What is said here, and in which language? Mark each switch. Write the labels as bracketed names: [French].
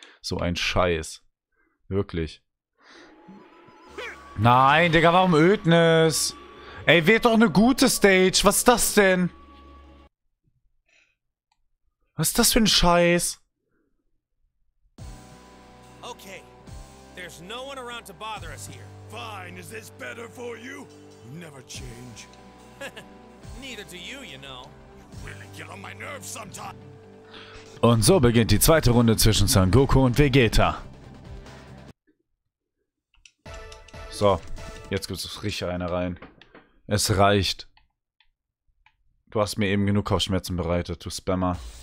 [German] So ein Scheiß. Wirklich. Nein, Digga, warum Ödnis? Ey, wird doch eine gute Stage. Was ist das denn? Was ist das für ein Scheiß? Okay. [English] There's no one around to bother us here. Fine, is this better for you? You never change. Neither do you, you know. You really get on my nerves sometimes. [German] Und so beginnt die zweite Runde zwischen Son Goku und Vegeta. So, jetzt gibt es richtig eine rein. Es reicht. Du hast mir eben genug Kopfschmerzen bereitet, du Spammer.